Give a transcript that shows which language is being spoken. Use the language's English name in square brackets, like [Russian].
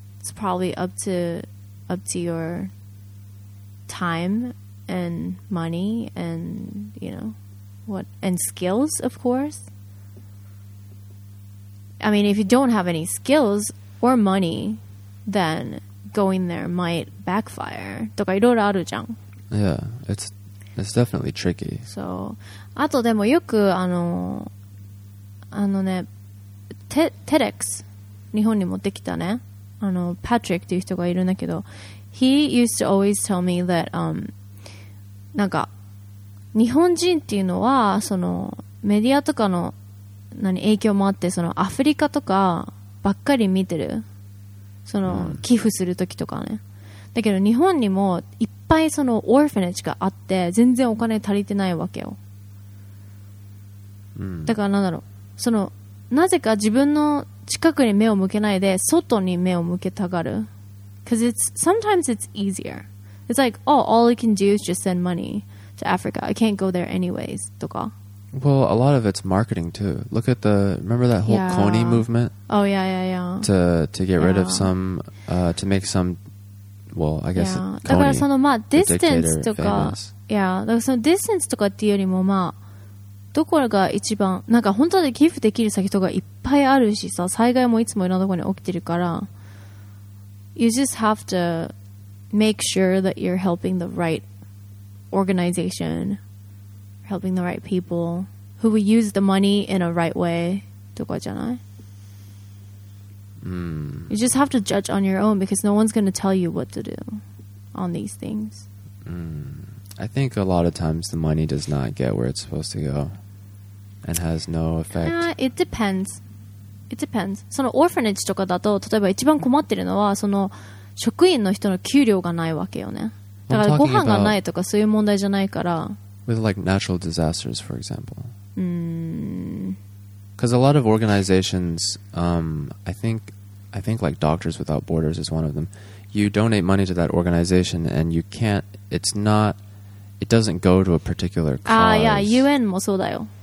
[English] It's probably up to your time and money and, you know, what, and skills, of course. I mean, if you don't have any skills or money, then going there might backfire. [Japanese] とかいろいろあるじゃん。 [English] Yeah, it's definitely tricky. [Japanese] So, あとでもよくね、TEDx 日本に持ってきたね。 Patrick っていう人がいるんだけど、 [English] he used to always tell me that [Japanese] なんか日本人っていうのはそのメディアとかの何影響もあってそのアフリカとかばっかり見てる。その寄付するときとかね。だけど日本にもいっぱいそのオーファネージがあって全然お金足りてないわけよ。だからなんだろう、そのなぜか自分の近くに目を向けないで外に目を向けたがる。 [English] Cause it's sometimes it's easier. It's like, oh, all you can do is just send money to Africa. I can't go there anyways. とか。 Well, a lot of it's marketing too. Look at the, remember that whole Kony movement? Oh yeah, yeah, yeah. To get rid of some, to make some, well, I guess Kony, [Japanese] だからそのまあ distance とか、yeah, だからその distance とかっていうよりもまあどこが一番なんか本当に寄付できる先とかいっぱいあるしさ、災害もいつもいろんなところに起きてるから、 [English] you just have to make sure that you're helping the right organization. Helping the right people who will use the money in a right way. [Japanese] とかじゃない? [English] You just have to judge on your own because no one's going to tell you what to do on these things. I think a lot of times the money does not get where it's supposed to go and has no effect. It depends. It depends. [Japanese] そのオーファネージとかだと、例えば一番困ってるのはその職員の人の給料がないわけよね。だからご飯がないとかそういう問題じゃないから。 [English] With like natural disasters, for example. Because a lot of organizations, I think like Doctors Without Borders is one of them. You donate money to that organization and you can't, it's not, it doesn't go to a particular cause. [Japanese] Yeah, UN もそうだよ.